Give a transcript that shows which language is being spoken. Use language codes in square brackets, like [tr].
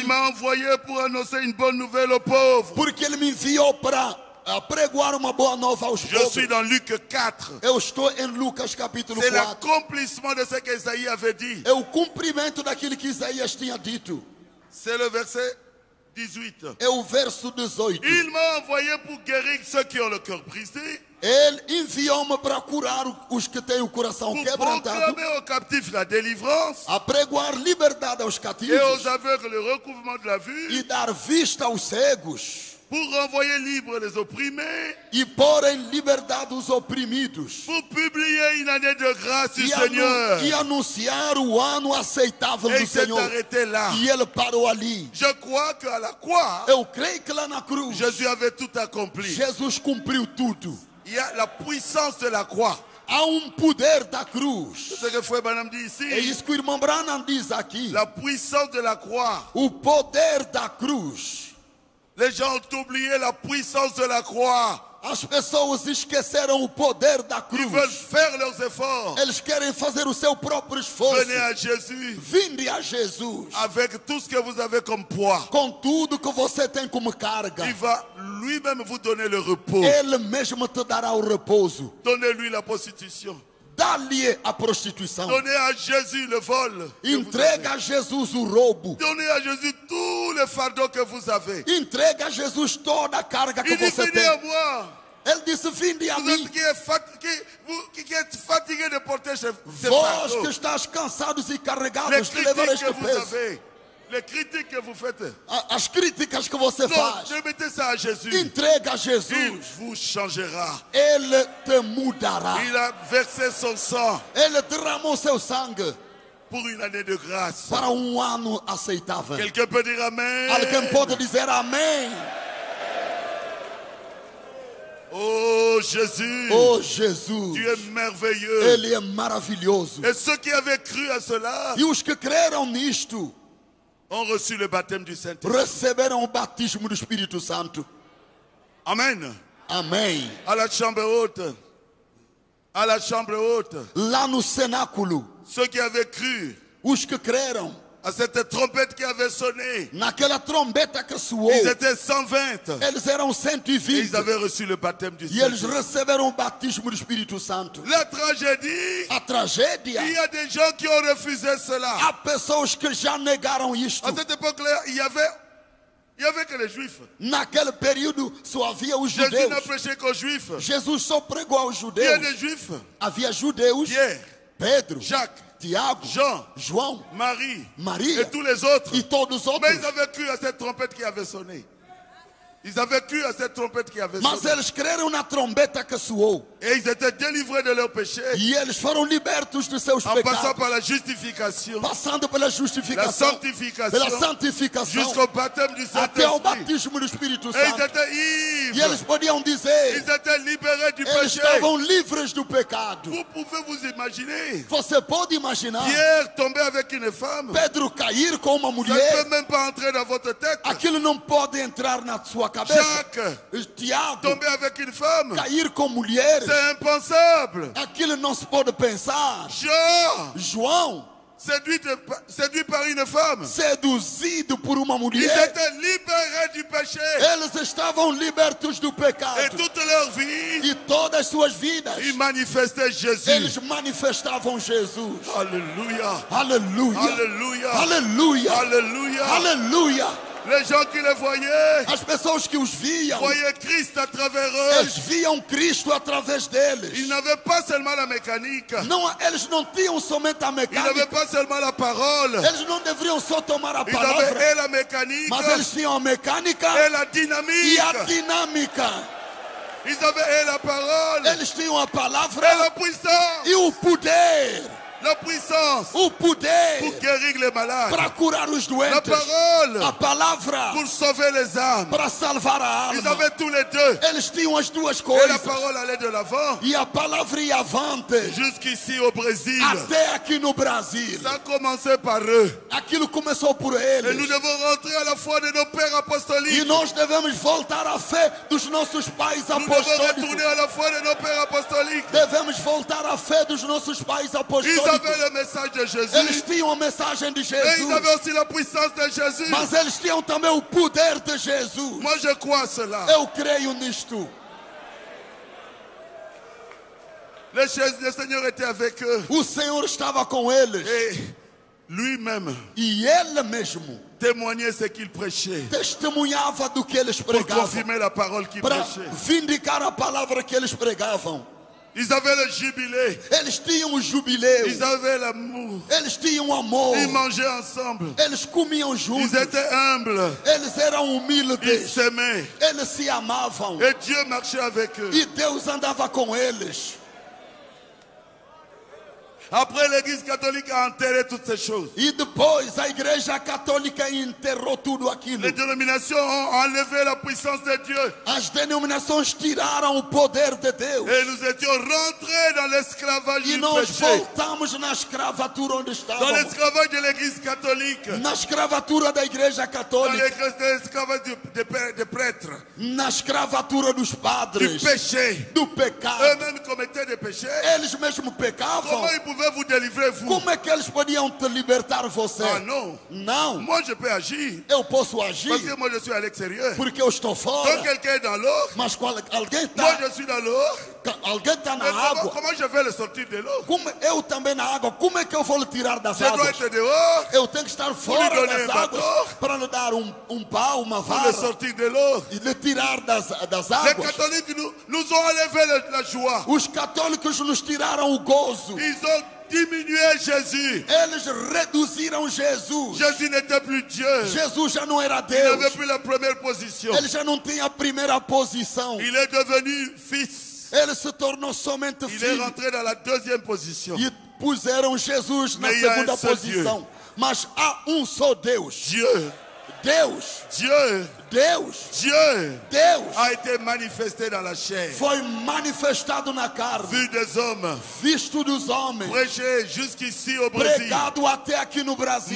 [fr] Parce qu'il m'a envoyé pour annoncer une bonne nouvelle aux pauvres. [pt] Porque ele me enviou para pregoar uma boa nova aos pobres. [fr] Je suis dans Luc 4. [pt] Eu estou em Lucas capítulo [fr] C'est l'accomplissement de ce que Isaïe avait dit. [pt] É o cumprimento daquilo que Isaías tinha dito. [fr] C'est le verset 18. [pt] É o verso 18. [fr] Il m'a envoyé pour guérir ceux qui ont le cœur brisé. [pt] Ele enviou-me para curar os que têm o coração [fr] Pour [pt] quebrantado. [fr] Proclamer aux captifs la délivrance, [pt] a pregoar liberdade aos cativos. [fr] Et aux aveugles le recouvrement de la vue, [pt] e dar vista aos cegos. [fr] Por renvoyer libre les opprimés. [pt] E pôr em liberdade os oprimidos. [fr] Por publier une année de grâce, Seigneur. [pt] E anunciar o ano aceitável do Senhor. E ele parou ali. [fr] Je crois que à la croix, [pt] eu creio que lá na cruz, [fr] Jesus avait tout accompli. [pt] Jesus cumpriu tudo. [fr] E a la puissance de la croix. [pt] Há poder da cruz. Isso que foi Branham disse. É isso que o irmão Branham diz aqui. [fr] La puissance de la croix. [pt] O poder da cruz. [fr] Les gens ont oublié la puissance de la croix. [pt] As pessoas esqueceram o poder da cruz. [fr] Ils veulent faire leurs efforts. [pt] Eles querem fazer o seu próprio esforço. [fr] Venez à Jésus. [pt] Vinde a Jesus. [fr] Avec tout ce que vous avez comme poids. [pt] Com tudo que você tem como carga. [fr] Il va lui-même vous donner le repos. [pt] Ele mesmo te dará o repouso. [fr] Donnez-lui la prostitution. [pt] Dá-lhe a prostituição. [fr] Donnez à Jésus le vol. [pt] Entrega a Jesus o roubo. [fr] Donnez à Jésus tout le fardeau que vous avez. [pt] Entrega a Jesus toda a carga que [fr] il [pt] você [fr] dit, [pt] tem. Ele disse, vinde a mim. [fr] Que de porter ce [pt] vós fardos. Que estás cansados e carregados de levar este peso. [fr] Vous avez. Les critiques que vous faites. [pt] As críticas que você [fr] non, [pt] faz. [fr] Remettez ça à Jésus. [pt] Entrega a Jesus. [fr] Il vous changera. [pt] Ele te mudará. [fr] Il a versé son sang. [pt] Ele derramou seu sangue. [fr] Pour une année de grâce. [pt] Para ano aceitável. [fr] Quelqu'un peut dire amen. [pt] Alguém pode dizer amém. [fr] Oh Jésus. Oh Jésus. Tu es merveilleux. [pt] Ele é maravilhoso. [fr] Et ceux qui avaient cru à cela. [pt] E os que creram nisto. [fr] Ont reçu le baptême du Saint-Esprit. [pt] Receberam o batismo do Espírito Santo. [fr] Amen. [pt] Amém. [fr] À la chambre haute. À la chambre haute. [pt] Lá no cenáculo. [fr] Ceux qui avaient cru. [pt] Os que creram. [fr] À cette trompette qui avait sonné. [pt] Naquela trombeta que soou. [fr] Ils étaient 120. [pt] Eles eram 120. [fr] Ils avaient reçu le baptême du Saint-Esprit. [pt] Eles receberam o batismo do Espírito Santo. [fr] La tragédie. [pt] A tragédia. [fr] Il y a des gens qui ont refusé cela. [pt] Há pessoas que já negaram isto. [fr] À cette époque-là, il y avait que les juifs. [pt] Naquele período só havia os judeus. [fr] Jésus n'a prêché qu'aux juifs. [pt] Jesus só pregou aos judeus. [fr] Il y a des juifs. [pt] Havia judeus. [fr] Pierre. [pt] Pedro. [fr] Jacques. [pt] Tiago, [fr] Jean, [pt] João, [fr] Marie, et tous les autres. [pt] E todos os outros. [fr] Mais ils avaient cru à cette trompette qui avait sonné. Ils avaient cru à cette trompette qui avait sonné. [pt] Mas eles creram na trombeta que soou. [fr] Et ils étaient délivrés de leurs péchés. [pt] E eles foram libertos de seus pecados. [fr] En passant par la justification. [pt] Passando pela justificação. [fr] La sanctification. [pt] Pela santificação. [fr] Jusqu'au baptême du Saint-Esprit. [pt] Até ao batismo do Espírito Santo. [fr] Et ils étaient ivres. [pt] E eles podiam dizer. [fr] Ils étaient libérés du [pt] eles [fr] péché. [pt] Eles estavam livres do pecado. [fr] Vous pouvez vous imaginer. [pt] Você pode imaginar. [fr] Pierre tomber avec une femme. [pt] Pedro cair com uma mulher. [fr] Ça ne peut même pas entrer dans votre tête. [pt] Aquilo não pode entrar na sua [fr] Jacques, [pt] Tiago, [fr] tomber avec une femme, [pt] cair com mulher, [fr] c'est impensable. [pt] Aquilo não se pode pensar. João, [fr] séduit par une femme, [pt] seduzido por uma mulher. [fr] Ils étaient libérés du péché. [pt] Eles estavam libertos do pecado. [fr] Et toute leur vie, [pt] e todas suas vidas. [fr] Ils manifestaient Jésus. [pt] Eles manifestavam Jesus. [fr] Alléluia. Alléluia. Alléluia. Alléluia. Alléluia. Alléluia. Les gens qui les voyaient, [pt] as pessoas que os viam, [fr] voyaient Christ à travers eux. [pt] Eles viam Cristo através deles. [fr] Ils n'avaient pas seulement la mécanique. [pt] Não, eles não tinham somente a mecânica. [fr] Ils n'avaient pas seulement la parole. [pt] Eles não deveriam só tomar a palavra. [fr] Ils avaient et la mécanique. [pt] Mas eles tinham a mecânica. [fr] Et la dynamique. [pt] E a dynamique. [fr] Ils avaient et la parole. [pt] Eles tinham a palavra. [fr] Et la puissance. [pt] E o poder. [fr] La puissance [pt] o poder [fr] pour guérir les malades, [pt] para curar os doentes, [fr] la parole [pt] a palavra [fr] pour sauver les âmes, [pt] para salvar a alma. [fr] Ils avaient tous les deux. [pt] Eles tinham as duas coisas. [fr] Et la parole allait de l'avant. [pt] E a palavra ia avante. [fr] Jusqu'ici au Brésil. [pt] Até aqui no Brasil. [fr] Ça commençait par eux. [pt] Aquilo começou por eles. [fr] Et nous devons rentrer à la foi de nos pères apostoliques. [pt] E nós devemos voltar à fé dos nossos pais apostólicos. [fr] Nous devons retourner à la foi de nos pères apostoliques. [pt] Devemos voltar à fé dos nossos pais apostólicos. [fr] Ils avaient le message de Jésus. [pt] Eles tinham a mensagem de Jesus. [fr] Mais ils avaient aussi la puissance de Jésus. [pt] Mas eles tinham também o poder de Jesus. [fr] Moi je crois cela. [pt] Eu creio nisto. [fr] Le Seigneur était avec eux. [pt] O Senhor estava com eles. [fr] Lui-même. [pt] E ele mesmo. [fr] Témoignait ce qu'il prêchait. [pt] Testemunhava do que eles pregavam. [fr] Pour confirmer la parole qu'ils prêchaient. [pt] Vindicar a palavra que eles pregavam. [fr] Ils avaient le jubilé. [pt] Eles tinham o jubileu. [fr] Ils avaient l'amour. [pt] Eles tinham amor. [fr] Ils mangeaient ensemble. [pt] Eles comiam juntos. [fr] Ils étaient humbles. [pt] Eles eram humildes. [fr] Ils s'aimaient. [pt] Eles se amavam. [fr] Et Dieu marchait avec eux. [pt] E Deus andava com eles. [fr] Après, l'Église catholique a enterré toutes ces choses. [pt] E depois a Igreja Católica enterrou tudo aquilo. [fr] Les dénominations ont enlevé la puissance de Dieu. [pt] As denominações tiraram o poder de Deus. [fr] Et nous étions rentrés dans l'esclavage du péché. [pt] E nós voltamos na escravatura onde estávamos. [fr] Dans l'esclavage de l'Église catholique. [pt] Na escravatura da Igreja Católica. [fr] Dans l'esclavage de prêtres. [pt] Na escravatura dos padres. [fr] Du péché. [pt] Do pecado. [fr] Eux-mêmes commettaient des péchés. [pt] Eles mesmos pecavam. [fr] Pouvez-vous délivrer vous? [pt] Como é que eles podiam te libertar você? Ah, não. Não. [fr] Moi, je peux agir. [pt] Eu posso agir. [fr] Parce que moi, je suis à l'extérieur. [pt] Porque eu estou fora. [fr] Quand quelqu'un est dans l'eau, [pt] mas qual, alguém tá... [fr] moi, je suis dans l'eau. [pt] Alguém está na [fr] comment, [pt] água. [fr] Comment je vais le sortir de l'eau? [pt] Como, eu também na água. Como é que eu vou lhe tirar das [fr] je [pt] águas? [fr] Dehors, [pt] eu tenho que estar fora das águas [fr] bateau, [pt] para lhe dar um pau, uma vara. [fr] Le sortir de l'eau. [pt] E lhe tirar das águas. [fr] Les catholiques nous ont enlevé la joie. [pt] Os católicos nos tiraram o gozo. [fr] Ils ont diminué Jésus. [pt] Eles reduziram Jesus. [fr] Jésus n'était plus Dieu. [pt] Jesus já não era Deus. [fr] Il n'avait plus la première position. [pt] Ele já não tinha a primeira posição. [fr] Il est devenu fils. [pt] Ele se tornou somente [fr] il [pt] filho. [fr] Est rentré dans la deuxième position. [pt] E puseram Jesus [fr] mais [pt] na segunda posição. [fr] Dieu. [pt] Mas há só Deus. [fr] Dieu. [pt] Deus. [fr] Dieu. [pt] Deus. [fr] Dieu. [pt] Deus. [fr] A été manifesté dans la chair. [pt] Foi manifestado na carne. [fr] Vu des hommes. [pt] Visto dos homens. [fr] Prêché jusqu'ici au Brésil. [pt] Pregado até aqui no Brasil.